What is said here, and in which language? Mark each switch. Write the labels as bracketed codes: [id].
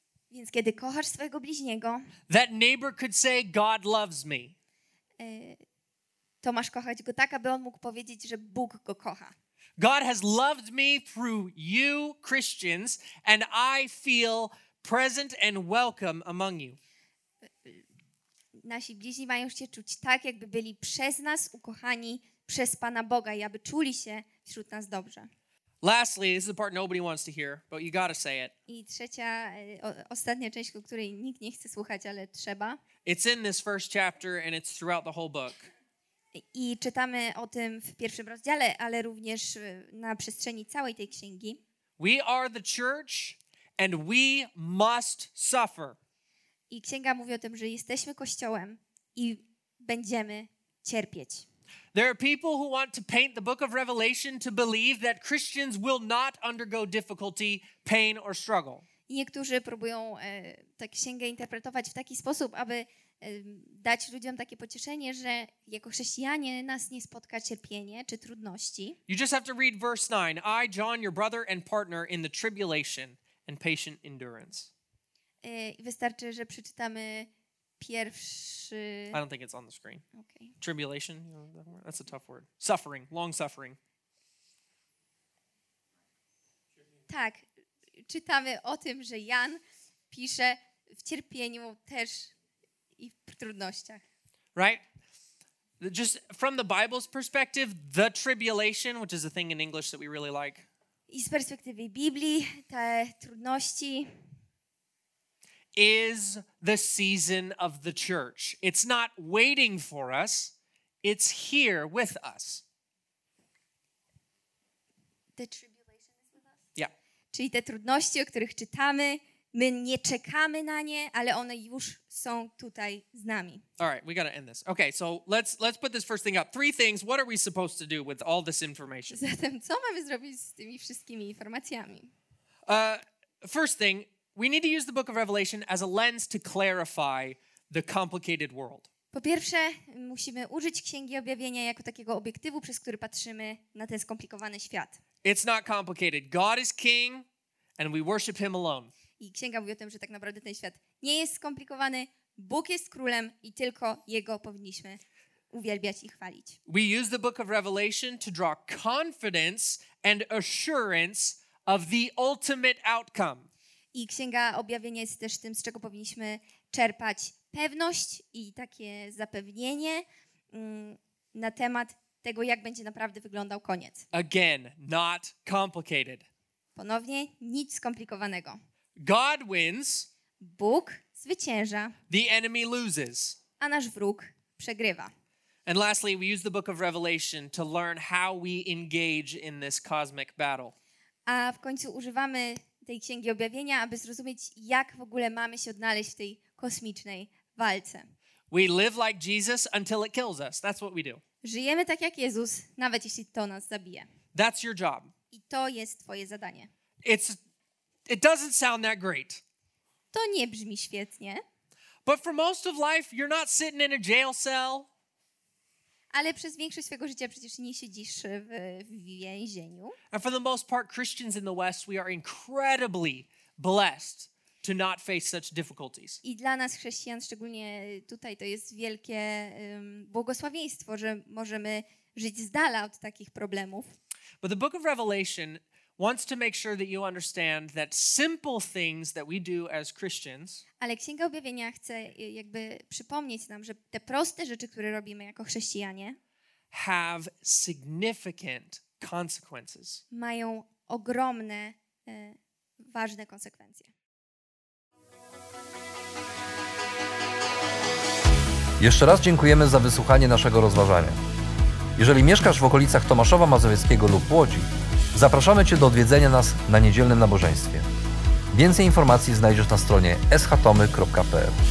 [pl] więc kiedy kochasz swojego bliźniego, [en] that neighbor could say, God loves me. [pl] To masz kochać go tak, aby on mógł powiedzieć, że Bóg go kocha. [en] God has loved me through you Christians and I feel present and welcome among you. [pl] Nasi bliźni mają się czuć tak, jakby byli przez nas ukochani przez Pana Boga i aby czuli się wśród nas dobrze. [en] Lastly, this is the part nobody wants to hear, but you gotta say it. [pl] I trzecia, ostatnia część, o której nikt nie chce słuchać, ale trzeba. [en] It's in this first chapter and it's throughout the whole book. [pl] I czytamy o tym w pierwszym rozdziale, ale również na przestrzeni całej tej księgi. [en] We are the church and we must suffer. [pl] I księga mówi o tym, że jesteśmy kościołem i będziemy cierpieć. [en] There are people who want to paint the book of Revelation to believe that Christians will not undergo difficulty, pain or struggle. [pl] I niektórzy próbują tę księgę interpretować w taki sposób, aby dać ludziom takie pocieszenie, że jako chrześcijanie nas nie spotka cierpienie czy trudności. [en] You just have to read verse 9. I, John, your brother and partner in the tribulation and patient endurance. [pl] Wystarczy, że przeczytamy pierwszy... [en] I don't think it's on the screen. Okay. Tribulation? You know that word? That's a tough word. Suffering. Long suffering. [pl] Tak. Czytamy o tym, że Jan pisze w cierpieniu też i w trudnościach. [en] Right? Just from the Bible's perspective, the tribulation, which is a thing in English that we really like. [pl] I z perspektywy Biblii, te trudności... [en] is the season of the church. It's not waiting for us, it's here with us. The tribulation is with us? Yeah. [pl] Czyli te trudności, o których czytamy, my nie czekamy na nie, ale one już są tutaj z nami. [en] All right, we gotta end this. Okay, so let's put this first thing up. Three things, what are we supposed to do with all this information? [pl] Zatem co mamy zrobić z tymi wszystkimi informacjami? [en] First thing, we need to use the book of Revelation as a lens to clarify the complicated world. [pl] Po pierwsze, musimy użyć Księgi Objawienia jako takiego obiektywu, przez który patrzymy na ten skomplikowany świat. [en] It's not complicated. God is King and we worship Him alone. [pl] I Księga mówi o tym, że tak naprawdę ten świat nie jest skomplikowany. Bóg jest Królem i tylko Jego powinniśmy uwielbiać i chwalić. [en] We use the book of Revelation to draw confidence and assurance of the ultimate outcome. [pl] I Księga Objawienia jest też tym, z czego powinniśmy czerpać pewność i takie zapewnienie na temat tego, jak będzie naprawdę wyglądał koniec. [en] Again, not complicated. [pl] Ponownie, nic skomplikowanego. [en] God wins. [pl] Bóg zwycięża. [en] The enemy loses. [pl] A nasz wróg przegrywa. [en] And lastly, we use the book of Revelation to learn how we engage in this cosmic battle. [pl] A w końcu używamy tej Księgi Objawienia, aby zrozumieć, jak w ogóle mamy się odnaleźć w tej kosmicznej walce. [en] We live like Jesus until it kills us. That's what we do. [pl] Żyjemy tak jak Jezus, nawet jeśli to nas zabije. [en] That's your job. [pl] I to jest twoje zadanie. [en] It doesn't sound that great. [pl] To nie brzmi świetnie. [en] But for most of life, you're not sitting in a jail cell. [pl] Ale przez większość swojego życia przecież nie siedzisz w więzieniu. [en] And for the most part, Christians in the West, we are incredibly blessed to not face such difficulties. [pl] I dla nas chrześcijan, szczególnie tutaj, to jest wielkie błogosławieństwo, że możemy żyć z dala od takich problemów. [en] But the book of Revelation wants to make sure that you understand that simple things that we do as Christians. [pl] Ale Księga Objawienia chce jakby przypomnieć nam, że te proste rzeczy, które robimy jako chrześcijanie, [en] have significant consequences. [pl] Mają ogromne, ważne konsekwencje. Jeszcze raz dziękujemy za wysłuchanie naszego rozważania. Jeżeli mieszkasz w okolicach Tomaszowa Mazowieckiego lub Łodzi, zapraszamy Cię do odwiedzenia nas na niedzielnym nabożeństwie. Więcej informacji znajdziesz na stronie schtomy.pl.